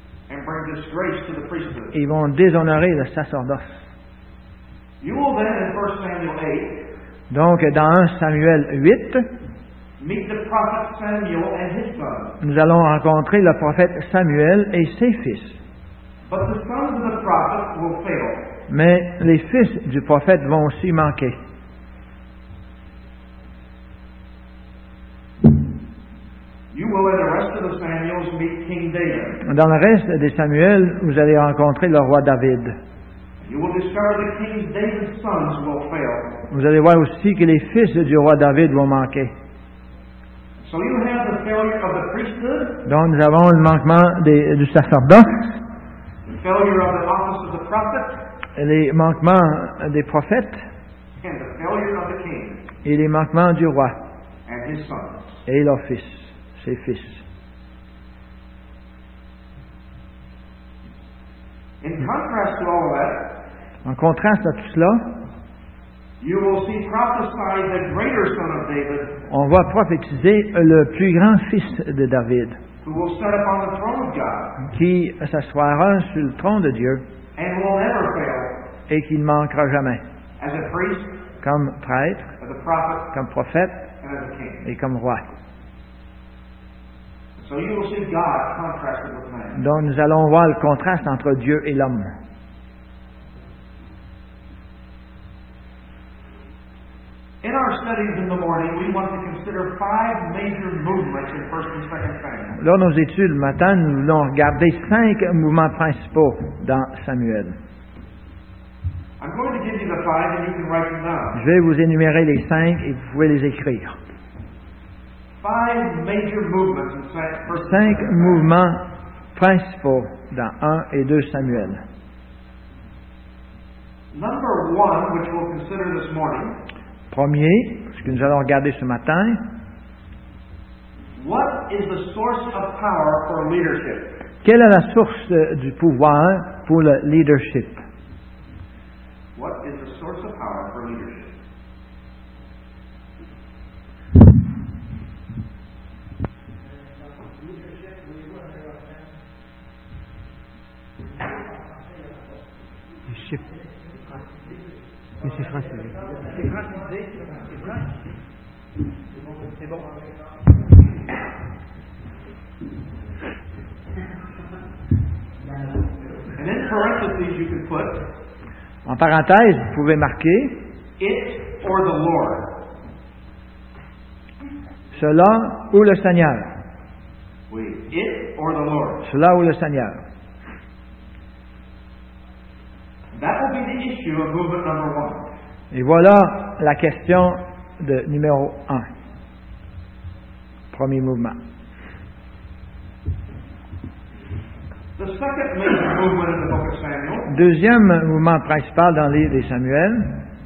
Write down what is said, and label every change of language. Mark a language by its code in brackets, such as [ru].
[en] And bring disgrace to the priesthood. [fr] Ils vont déshonorer le sacerdoce. [en] You will then, in 1 Samuel 8, [fr] donc, dans 1 Samuel 8, [en] meet the prophet Samuel and his sons. [fr] Nous allons rencontrer le prophète Samuel et ses fils. [en] But the sons of the prophet will fail. [fr] Mais les fils du prophète vont aussi manquer. [en] You will in the rest of the Samuels meet King David. [fr] Dans le reste des Samuel, vous allez rencontrer le roi David. [en] You will discover that King David's sons will fail. [fr] Vous allez voir aussi que les fils du roi David vont manquer. [en] So you have the failure of the priesthood. [fr] Donc nous avons le manquement du sacerdoce. [en] failure of the office of the prophet, [fr] les manquements des prophètes, [en] and the failure of the king, [fr] et les manquements du roi, [en] and his sons, [fr] et leurs fils, ses fils. [en] In contrast to all that, [fr] en contraste à tout cela, [en] you will see prophesied the greater son of David, [fr] on voit prophétiser le plus grand fils de David, [en] who will sit upon the throne of God, [fr] qui s'asseoira sur le trône de Dieu, [en] and will never fail, [fr] et qui ne manquera jamais, [en] as a priest, [fr] comme prêtre, [en] as a prophet, [fr] comme prophète, [en] and as a king, [fr] et comme roi. [en] So you will see God contrasted with man. [fr] Donc nous allons voir le contraste entre Dieu et l'homme. [en] In our studies in the morning, we want to consider five major movements in 1st and 2nd Samuel. [fr] Lors nos études le matin, nous voulons regarder cinq mouvements principaux dans Samuel. [en] I'm going to give you the five and you can write them down. [fr] Je vais vous énumérer les cinq et vous pouvez les écrire. [en] Five major movements in 1st and 2nd Samuel. [fr] Cinq mouvements principaux dans 1 et 2 Samuel. [en] Number one, which we'll consider this morning. [fr] Premier, ce que nous allons regarder ce matin. [en] What is the source of power for leadership? [fr] Quelle est la source du pouvoir pour le leadership? [en] What is the source of power for leadership? [fr] Leadership. Mais c'est français. C'est racisé. C'est bon. [en] And in parentheses, you can put. [fr] En parenthèse, vous pouvez marquer. [en] It or the Lord. [fr] Cela ou le Seigneur. Oui. [en] It or the Lord. [fr] Cela ou le Seigneur. [en] That will be the issue of movement number one. [fr] Et voilà la question de numéro 1. Premier mouvement. [en] The second major movement in the book of Samuel. [fr] Deuxième mouvement principal dans le livre de Samuel.